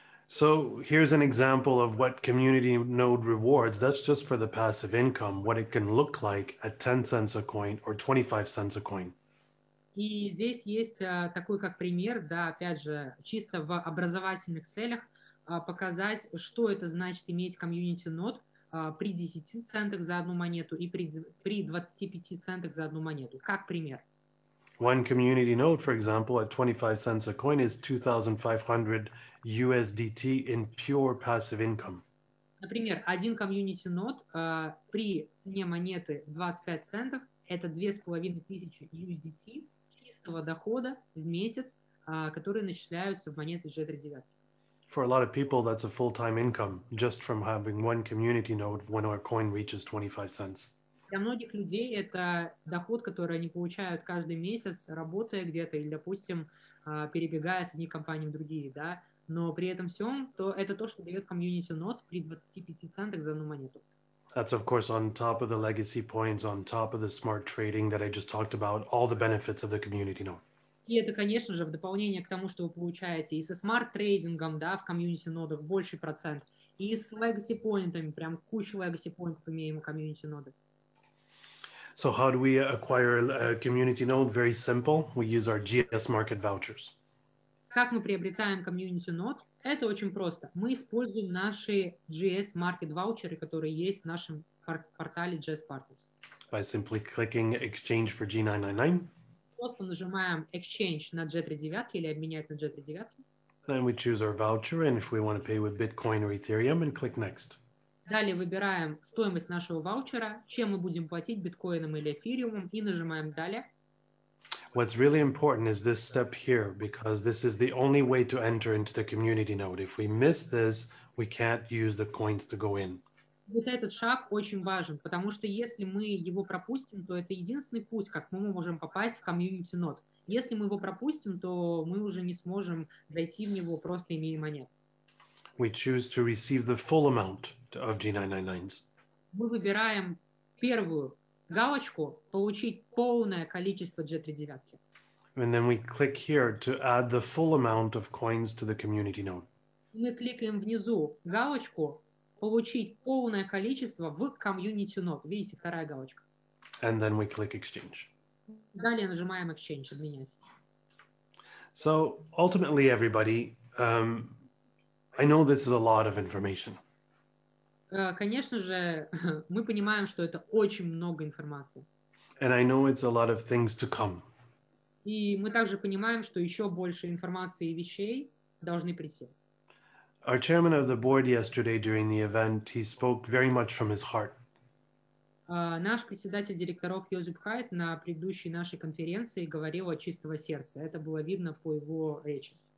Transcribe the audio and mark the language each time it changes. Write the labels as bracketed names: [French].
[English] So here's an example of what community node rewards. That's just for the passive income, what it can look like at 10 cents a coin or 25 cents a coin. [Russian] И здесь есть такой как пример, да, опять же, чисто в образовательных целях показать, что это значит иметь community node при 10 центах за одну монету и при 25 центах за одну монету, как пример. [English] One community node, for example, at 25 cents a coin is 2,500 USDT in pure passive income. [Russian] Например, один community node при цене монеты 25 центов – это 2500 USDT дохода в месяц, которые начисляются в монеты G3 девятки. [English] For a lot of people, that's a full-time income just from having one community node when our coin reaches 25 cents. [Russian] Для многих людей это доход, который они получают каждый месяц, работая где-то или, допустим, перебегая с одних компаний в другие, да. Но при этом всем, то это то, что дает community node при 25 центах за одну монету. [English] That's, of course, on top of the legacy points, on top of the smart trading that I just talked about, all the benefits of the community node. [Russian] И это, конечно же, в дополнение к тому, что вы получаете и со smart трейдингом, да, в community нодах больше процент, и с legacy поинтами, прям кучу legacy поинтов имеем в community нодах. [English] So how do we acquire a community node? Very simple. We use our GS market vouchers. [Russian] Как мы приобретаем community node? Это очень просто. Мы используем наши GS Market ваучеры, которые есть в нашем портале GS Partners. [English] By simply clicking exchange for G999. [Russian] Просто нажимаем exchange на G3 девятки или обменять на G3 девятки. [English] Then we choose our voucher and if we want to pay with Bitcoin or Ethereum and click next. [Russian] Далее выбираем стоимость нашего ваучера, чем мы будем платить, биткоином или эфириумом, и нажимаем далее. [English] What's really important is this step here, because this is the only way to enter into the community node. If we miss this, we can't use the coins to go in. [Russian] Вот этот шаг очень важен, потому что если мы его пропустим, то это единственный путь, как мы можем попасть в community node. Если мы его пропустим, то мы уже не сможем зайти в него, просто имея монет. [English] We choose to receive the full amount of G999s. [Russian] Мы выбираем первую галочку «Получить полное количество G3 девятки». [English] And then we click here to add the full amount of coins to the community node. [Russian] Мы кликаем внизу галочку «Получить полное количество в community node». Видите, вторая галочка. [English] And then we click exchange. [Russian] Далее нажимаем exchange, обменять. [English] So, ultimately, everybody, I know this is a lot of information. [Russian] Конечно же, мы понимаем, что это очень много информации. [English] And I know it's a lot of things to come. [Russian] И мы также понимаем, что еще больше информации и вещей должны прийти. [English] Our chairman of the board yesterday during the event, he spoke very much from his heart. [Russian] Наш председатель директоров Йозеп Хайт на предыдущей нашей конференции говорил от чистого сердца. Это было видно по его речи.